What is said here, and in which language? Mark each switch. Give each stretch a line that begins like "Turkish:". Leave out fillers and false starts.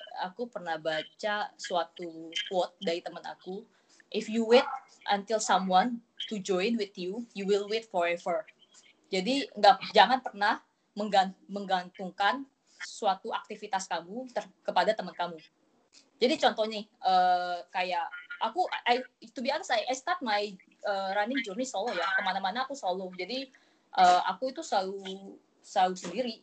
Indonesian: Aku pernah baca suatu quote dari teman aku.
English: If you wait until someone to join with you, you will wait forever.
Indonesian: Jadi jangan pernah menggantungkan suatu aktivitas kamu kepada teman kamu. Jadi contohnya kayak aku,
English: I start my running journey solo
Indonesian: ya, kemana-mana aku solo. Jadi aku itu selalu sendiri.